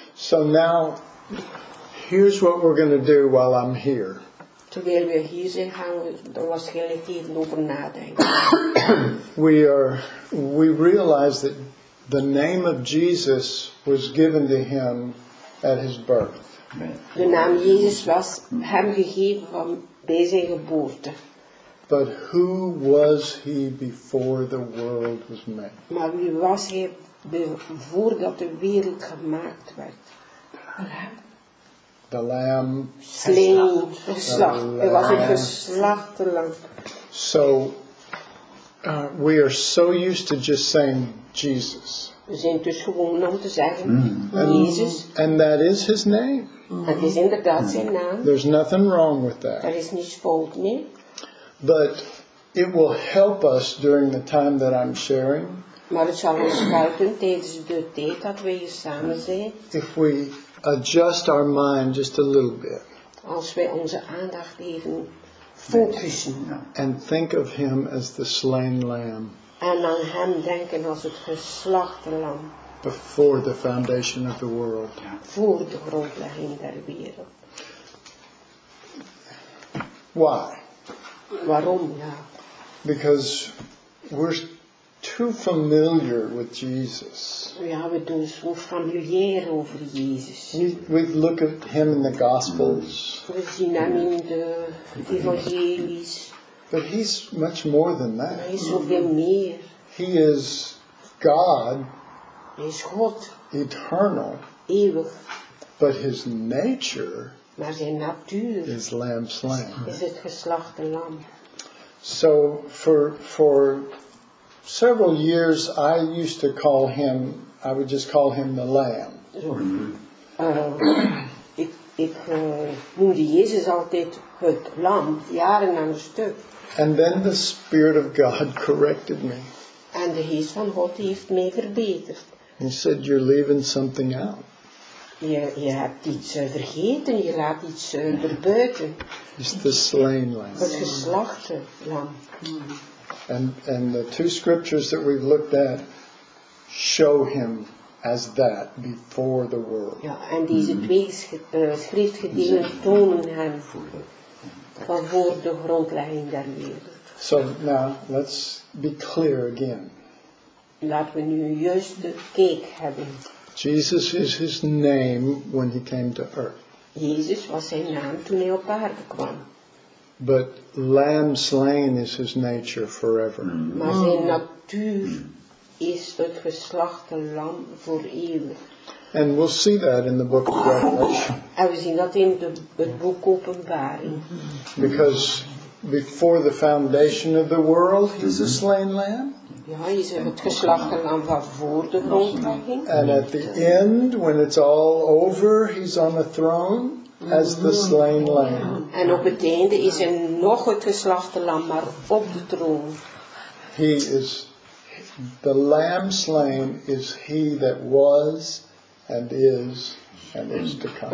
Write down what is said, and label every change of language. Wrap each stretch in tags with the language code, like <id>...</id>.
<en>So now, here's what we're going to do while I'm here.</en> <nl>Terwijl we hier zijn, gaan we er waarschijnlijk even over nadenken.</nl> <en>We realize that the name of Jesus was given to him at his birth.</en> <nl>De naam Jezus was hem gegeven van bij zijn geboorte.</nl> <en>But who was he before the world was made?</en> <nl>Maar wie was hij voordat de wereld gemaakt werd?</nl> <en>The lamb. Slain.</en> <nl>Geslacht. Hij was een geslachte lam.</nl> <en>So, we are so used to just saying Jesus.</en> <nl>We zijn dus gewoon om te zeggen, Jezus.</nl> <en>And that is his name.</en> <nl>Dat is inderdaad zijn naam.</nl> <en>There's nothing wrong with that.</en> <nl>Er is niets fout mee.</nl> <en>But it will help us during the time that I'm sharing.</en> <nl>Maar het zal ons helpen tijdens de tijd dat we hier samen zijn.</nl> <en>If we adjust our mind just a little bit.</en> <nl>Als wij onze aandacht even focussen.</nl> <en>And think of him as the slain lamb.</en> <nl>En aan hem denken als het geslachte lam.</nl> <en>Before the foundation of the world.</en> <nl>Voor de grondlegging der wereld.</nl> <en>Why?</en> <nl>Waarom? Ja.</nl> <en>Because we're too familiar with Jesus.</en> <nl>Ja, we doen zo familiair over Jezus.</nl> <en>We look at him in the Gospels.</en> <nl>We zien hem in de evangelies.</nl> <en>But he's much more than that.</en> <nl>Hij is zoveel meer.</nl> <en>He is God.</en> <nl>Hij is God.</nl> <en>Eternal.</en> <nl>Eeuwig.</nl> <en>But his nature.</en> <nl>Maar zijn natuur.</nl> <en>Is lamb slain.</en> <nl>Is het geslachte lam.</nl> <en>So for several years I used to call him, I would just call him the lamb.</en> <nl>Ik noemde Jezus altijd het lam, jaren aan een stuk.</nl> <en>And then the Spirit of God corrected me.</en> <nl>En de Geest van God heeft mij verbeterd.</nl> <en>He said, you're leaving something out.</en> <nl>Je hebt iets vergeten, je laat iets erbuiten.</nl> <en>It's the slain lamb.</en> <nl>Het geslachte lam.</nl> <en>And the two scriptures that we've looked at show him as that before the world.</en> <nl>Ja, en deze twee schriftgedeelten tonen hem van voor de grondlegging der wereld.</nl> <en>So now, let's be clear again.</en> <nl>Laten we nu juist de kijk hebben.</nl> <en>Jesus is his name when he came to earth.</en> <nl>Jezus was zijn naam toen hij op aarde kwam.</nl> <en>But lamb slain is his nature forever.</en> <nl>Maar zijn natuur is het geslachte lam voor eeuwig.</nl> <en>And we'll see that in the book of Revelation.</en> <nl>En we zien dat in het boek Openbaring.</nl> <en>Because before the foundation of the world, he's a slain lamb.</en> <nl>Ja, je zegt het geslachte lam van voor de grondlegging.</nl> <en>And at the end, when it's all over, he's on the throne as the slain lamb.</en> <nl>En op het einde is hij nog het geslachte lam, maar op de troon.</nl> <en>He is the lamb slain is he that was and is to come.</en>